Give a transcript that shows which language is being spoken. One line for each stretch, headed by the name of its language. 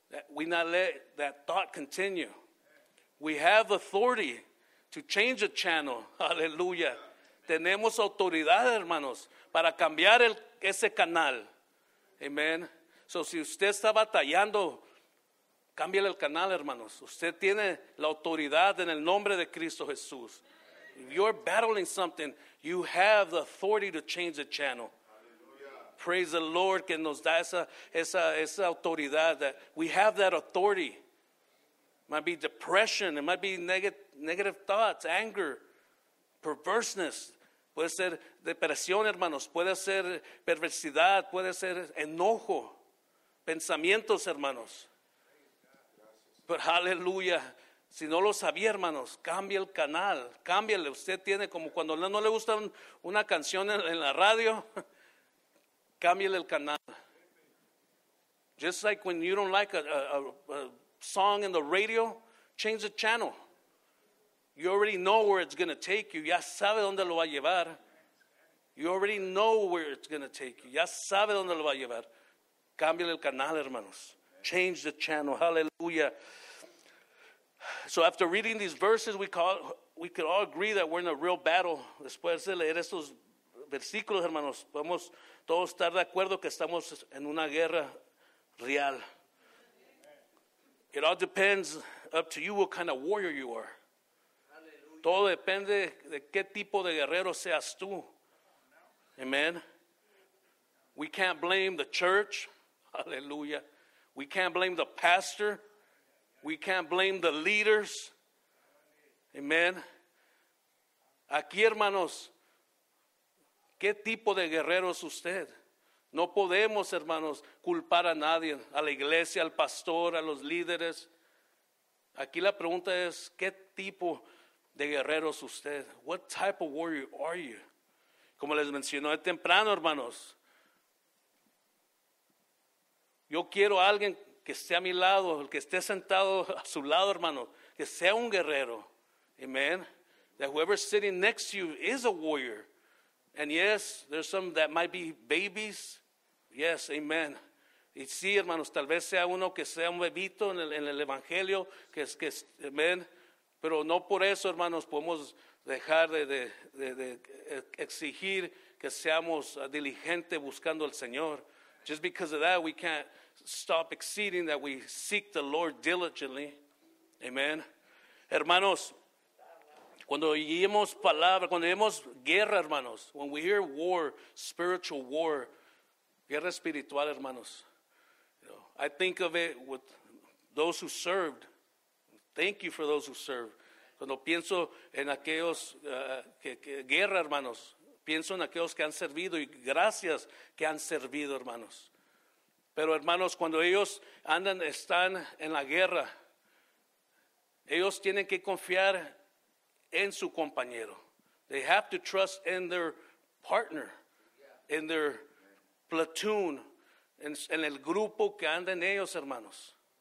English: We not let that thought continue. We have authority to change the channel. Hallelujah.
Spanish: Tenemos autoridad, hermanos, para cambiar ese canal. Amen. So si usted está batallando, cámbiale el canal, hermanos. Usted tiene la autoridad en el nombre de Cristo Jesús.
English: If you're battling something, you have the authority to change the channel. Praise the Lord
Spanish: que nos da esa autoridad.
English: That we have that authority. Might be depression. It might be negative thoughts, anger, perverseness.
Spanish: Puede ser depresión, hermanos. Puede ser perversidad. Puede ser enojo. Pensamientos, hermanos. Pero aleluya. Si no lo sabía, hermanos, cambie el canal. Cámbiale. Usted tiene como cuando no le gusta una canción en la radio. Cámbiale el canal.
English: Just like when you don't like a song in the radio, change the channel. You already know where it's going to take you.
Spanish: Ya sabe dónde lo va a llevar.
English: You already know where it's going to take you.
Spanish: Ya sabe dónde lo va a llevar. Cámbiale el canal, hermanos.
English: Change the channel. Hallelujah. So after reading these verses, we could all agree that we're in a real battle.
Spanish: Después de leer estos versículos, hermanos, podemos todos estar de acuerdo que estamos en una guerra real.
English: It all depends up to you what kind of warrior you are.
Spanish: Todo depende de qué tipo de guerrero seas tú.
English: Amen. We can't blame the church. Hallelujah. We can't blame the pastor. We can't blame the leaders. Amen.
Spanish: Aquí, hermanos, ¿qué tipo de guerrero es usted? No podemos, hermanos, culpar a nadie, a la iglesia, al pastor, a los líderes. Aquí la pregunta es, ¿qué tipo de guerrero es usted?
English: What type of warrior are you?
Spanish: Como les mencionó de temprano, hermanos, yo quiero a alguien que esté a mi lado, el que esté sentado a su lado, hermano, que sea un guerrero. Amen.
English: That whoever's sitting next to you is a warrior. And yes, there's some that might be babies. Yes, amen.
Spanish: Y sí, hermanos, tal vez sea uno que sea un bebito en el evangelio, que es, amen. Pero no por eso, hermanos, podemos dejar de exigir que seamos diligente buscando al Señor.
English: Just because of that, we can't stop exceeding that we seek the Lord diligently. Amen.
Spanish: Hermanos, cuando oímos palabra, cuando oímos guerra, hermanos,
English: when we hear war, spiritual war,
Spanish: guerra espiritual, hermanos,
English: you know, I think of it with those who served. Thank you for those who served.
Spanish: Cuando pienso en aquellos que guerra, hermanos, pienso en aquellos que han servido y gracias que han servido, hermanos. Pero, hermanos, cuando ellos andan, están en la guerra, ellos tienen que confiar en su compañero.
English: They have to trust in their partner, in their platoon,
Spanish: en el grupo que andan ellos, hermanos.